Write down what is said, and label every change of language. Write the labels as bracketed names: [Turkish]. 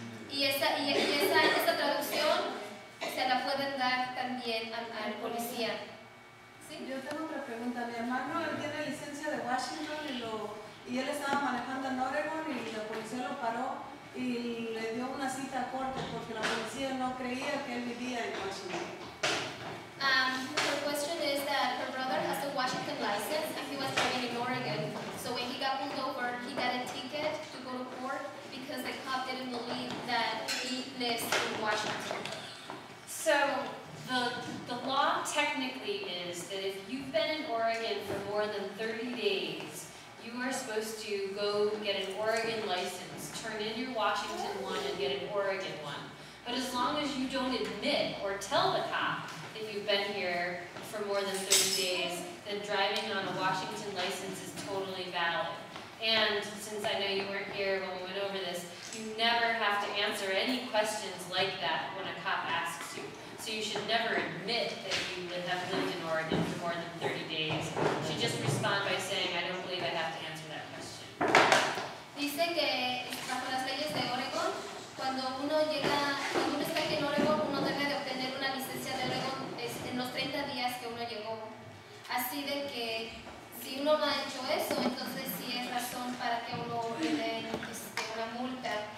[Spanish] Y esta traducción se la pueden dar también al policía. ¿Sí? Yo tengo otra pregunta. Mi hermano, él tiene licencia de Washington y él estaba manejando en Oregon y la policía lo paró y le dio una cita a corte porque la policía no creía que él vivía en Washington. [English] The question is that her brother has a Washington license and he was living in Oregon. So when he got pulled over, he got a ticket to go to court because the cop didn't believe that he lives in Washington. So the law technically is that if you've been in Oregon for more than 30 days, you are supposed to go get an Oregon license, turn in your Washington one and get an Oregon one. But as long as you don't admit or tell the cop that you've been here for more than 30 days, then driving on a Washington license is totally valid. And since I know you weren't here when we went over this, you never have to answer any questions like that when a cop asks you. So you should never admit that you have lived in Oregon for more than 30 days. You should just respond by saying, I don't believe I have to answer that question. [Spanish] Dice que bajo las leyes de Oregon, cuando uno llega, cuando uno está aquí en Oregon, uno debe de obtener una licencia de Oregon en los 30 días que uno llegó. Así de que si uno no ha hecho eso, entonces sí es razón para que uno le den una multa.